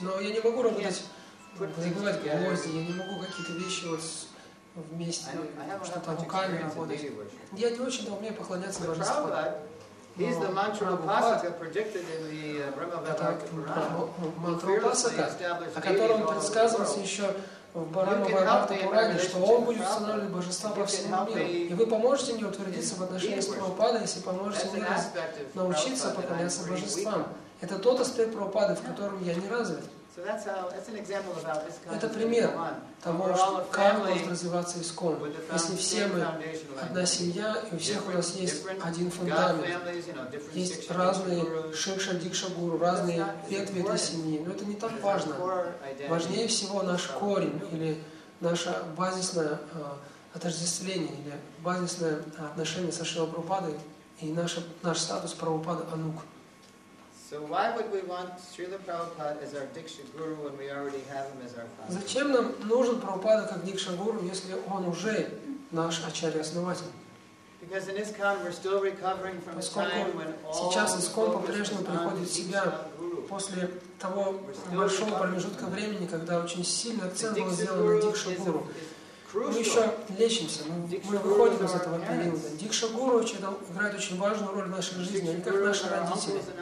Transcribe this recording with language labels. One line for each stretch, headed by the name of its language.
Russian: Но я не могу забивать гвозди, я не могу какие-то вещи вот вместе, что-то руками работать. Я не очень-то умею поклоняться божеству.
English: He's the mantra upasaka predicted in the Brahmavatara Purana.
Russian: Mantra upasaka, о котором предсказывалось еще в Брахмаватара Пуране, что он будет устанавливать божества по всему миру. И вы поможете мне утвердиться в отношении с Прабхупадой, если поможете мне научиться поклоняться божествам. Это тот аспект Прабхупады, в котором я не развит.
English: So that's how, that's an example about this kind
Russian: это пример того, как может развиваться ИСККОН. Если все мы одна семья, и у всех у нас есть один фундамент, есть разные шикша, дикша, гуру, разные ветви этой семьи, но это не так важно. Важнее всего наш корень или наше базисное отождествление или базисное отношение со Шрила Прабхупадой и наш статус Прабхупада Анук.
English: So why would we want Srila Prabhupada as our Diksha Guru when we already have him as our father?
Russian: Зачем нам нужен Прабхупада как Дикша Гуру, если он уже наш Ачарья-основатель?
English: Because in ISKCON we're still recovering from a time when all
Russian: сейчас ИСККОН по-прежнему приходит в себя после того большого промежутка времени, когда очень сильный акцент был сделан на Дикша Гуру. Мы еще лечимся, мы выходим из этого периода. Дикша Гуру играет очень важную роль в нашей жизни, они как наши родители.